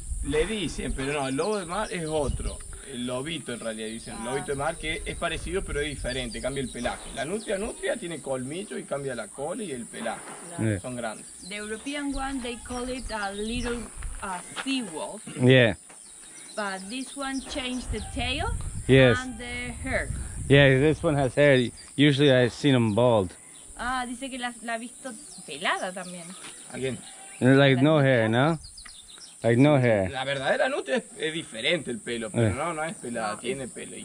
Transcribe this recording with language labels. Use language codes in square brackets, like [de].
[es] Le dicen, pero no, el lobo de mar es otro. El lobito en realidad dicen, lobito de mar, que es parecido pero es diferente, cambia el pelaje. La nutria tiene colmillo y cambia la cola y el pelaje, yeah. Son grandes. [en] The European one, they call it a little sea wolf. Yeah. But this one changed the tail, yes, and the hair. Yeah, this one has hair, usually I've seen them bald. [es] Ah, dice que la ha visto pelada también. [en] Again. And like no hair, no? Like no hair. [es] La verdadera nutria es diferente el pelo, pero no es pelada, no, tiene pelo.